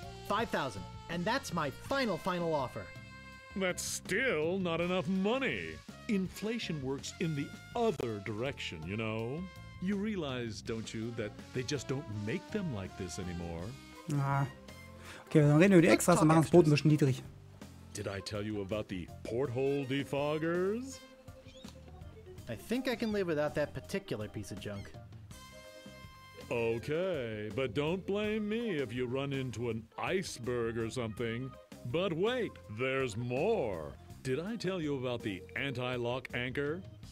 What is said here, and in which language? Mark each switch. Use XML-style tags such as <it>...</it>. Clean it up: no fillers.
<en>$5,000. And that's my final offer. That's still not enough money. Inflation works in the other direction, you know? You realize, don't you, that they just don't make them like this anymore? Ah.</en> <de>Okay, dann reden wir über die Extras und machen das Boot ein bisschen niedrig.</de> <en>Did I tell you about the porthole defoggers? I think I can live without that particular piece of junk. Okay, but don't blame me if you run into an iceberg or something. But wait, there's more. Did I tell you about the anti-lock anchor?</en>